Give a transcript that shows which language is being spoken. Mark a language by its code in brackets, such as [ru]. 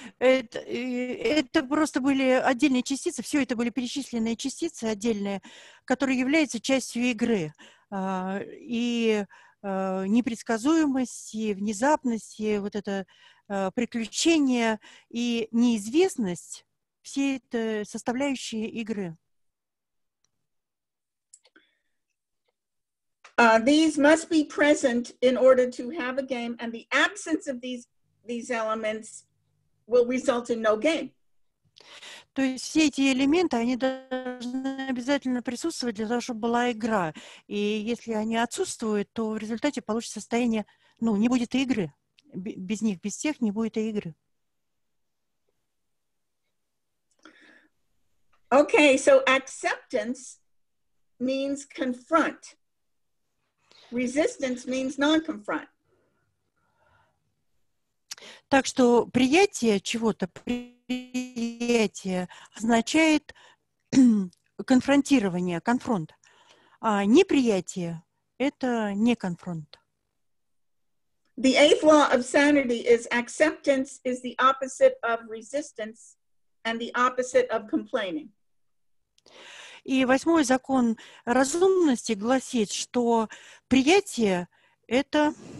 [ru] Это просто были отдельные частицы, все это были перечисленные частицы отдельные, которые являются частью игры. И непредсказуемость, и внезапность, и вот это приключение, и неизвестность — все это составляющие игры. [en] These must be present in order to have a game, and the absence of these elements will result in no game. [ru] То есть все эти элементы, они должны обязательно присутствовать для того, чтобы была игра. И если они отсутствуют, то в результате получится состояние, ну, не будет и игры. Без них, без всех не будет и игры. [en] Okay, so acceptance means confront. Resistance means non-confront. [ru] Так что приятие чего-то, приятие означает конфронтирование, конфронт. А неприятие — это не конфронт. [en] The eighth law of sanity is acceptance is the opposite of resistance and the opposite of complaining. [ru] И восьмой закон разумности гласит, что приятие — это...